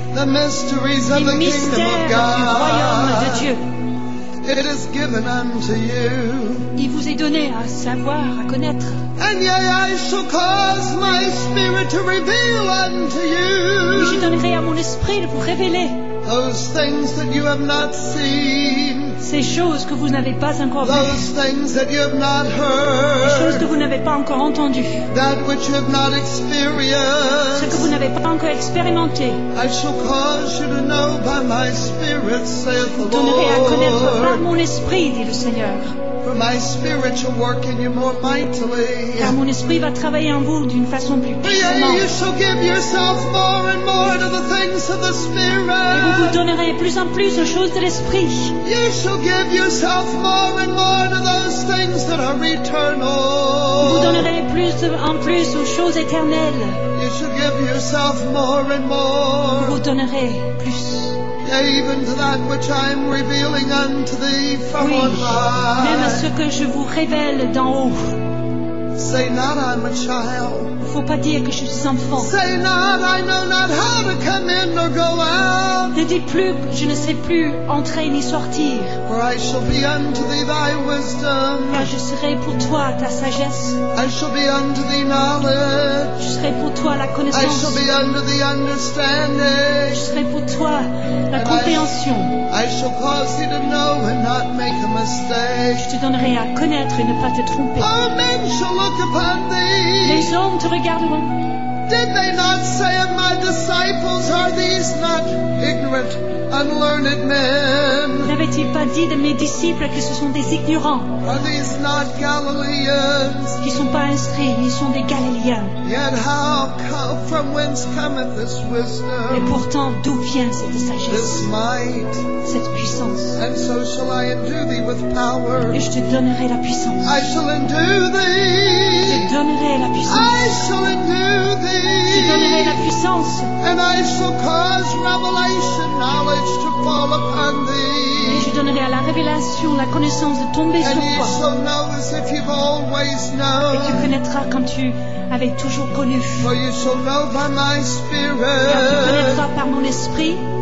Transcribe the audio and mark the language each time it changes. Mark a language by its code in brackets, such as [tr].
[en] The mysteries of the kingdom of God. [fr] Du royaume de Dieu. [en] It is given unto you. [fr] Il vous est donné à savoir, à connaître. [en] And yea, I shall cause my spirit to reveal unto you. [fr] Et je donnerai à mon esprit de vous révéler. [en] Those things that you have not seen. [fr] Ces choses que vous n'avez pas encore vues. [en] Those things that you have not heard. [fr] Les choses que vous n'avez pas encore entendues. [en] That which you have not experienced. [fr] Ce que vous n'avez pas encore expérimenté. [en] I shall cause you to know by my spirit, saith the Lord. [fr] Vous donnerez à connaître par mon esprit, dit le Seigneur. [en] For my spirit shall work in you more mightily. [fr] Car mon esprit va travailler en vous d'une façon plus puissante. [en] Yea, you shall give yourself more and more to the things of the spirit. [fr] Et vous vous donnerez plus en plus aux choses de l'esprit. [en] You shall give yourself more and more to those things that are eternal. [fr] Vous donnerez plus en plus aux choses éternelles. [en] You shall give yourself more and more. [fr] Vous donnerez plus. [en] Even to that which I am revealing unto thee from [fr] oui, [en] on high. [fr] Même à ce que je vous révèle d'en haut. [en] Say not I'm a child. [fr] Faut pas dire que je suis enfant. [en] Say not I know not how to come in or go out. [fr] Ne dis plus que je ne sais plus entrer ni sortir. [en] For I shall be unto thee thy wisdom. [fr] Car je serai pour toi ta sagesse. [en] I shall be unto thee knowledge. [fr] Je serai pour toi la connaissance. [en] I shall be unto thee understanding. [fr] Je serai pour toi la and compréhension. [en] I shall cause thee to know and not make a mistake. [fr] Je te donnerai à connaître et ne pas te tromper. [en] All men shall look upon thee. [fr] Les hommes te regarderont. [en] Did they not say of my disciples, are these not ignorant, unlearned men? [fr] N'avaient-ils pas dit de mes disciples que ce sont des ignorants? [en] Are these not Galileans? [fr] Qui sont pas instruits, ils sont des Galiléens. [en] Yet how come, from whence cometh this wisdom? [fr] Et pourtant, d'où vient cette sagesse? [en] This might. [fr] Cette puissance. [en] And so shall I endue thee with power. [fr] Et je te donnerai la puissance. [en] I shall endue thee. [fr] Je te donnerai la puissance. [en] I shall endue thee. [fr] Je donnerai la puissance. [en] And I shall cause revelation knowledge to fall upon thee. [fr] Et je donnerai à la révélation la connaissance de tomber [en] and [fr] sur toi. [en] And shall know as if you've always known. [fr] Et tu connaîtras comme tu avais toujours connu. [en] For you shall know by my spirit. [fr] Car tu connaîtras par mon esprit.